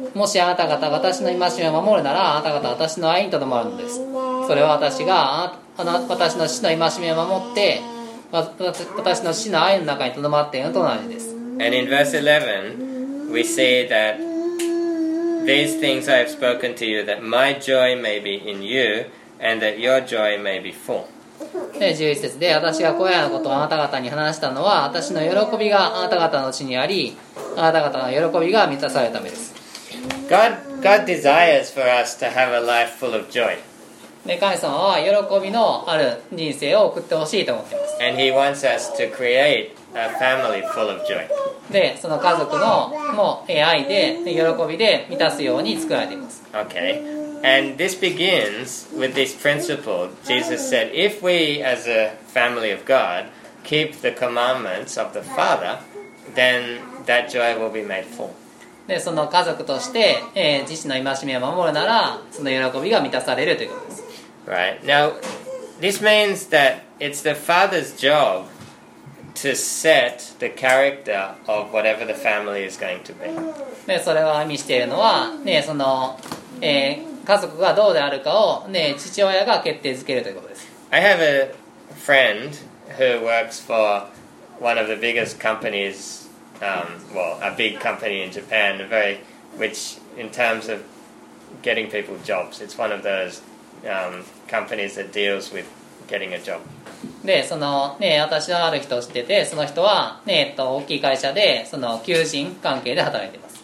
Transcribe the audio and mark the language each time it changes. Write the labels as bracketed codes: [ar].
[ja] もしあなた方が私の戒めを守るなら、あなた方は私の愛にとどまるのです。それは私が私の父の戒めを守って、私の父の愛の中にとどまっているのと同じです。 [en] And in verse 11,We say that these things I have spoken to you, that my joy may be in you, and that your joy may be full. [ja] で、11節で、私がこれらのことをあなた方に話したのは、私の喜びがあなた方のうちにあり、あなた方の喜びが満たされたためです。 [en] God desires for us to have a life full of joy. [ja] で、神様は喜びのある人生を送ってほしいと思っています。 [en] And he wants us to create a family full of joy. [ja] で、その家族のも愛で喜びで満たすように作られています。 [en] Okay. And this begins with this principle. Jesus said, if we as a family of God keep the commandments of the Father, then that joy will be made full. [ja] で、その家族として、父の戒めを守るなら、その喜びが満たされるということです。 [en] Right. Now, this means that it's the Father's jobTo set the character of whatever the family is going to be. [ja] ね、それは意味しているのは、ね、その、家族がどうであるかを、ね、父親が決定づけるということです。 [en] I have a friend who works for one of the biggest companies, a big company in Japan, which in terms of getting people jobs, it's one of those companies that deals with getting a job. [ja] でそのね私はある人を知っててその人はね大きい会社でその求人関係で働いてます。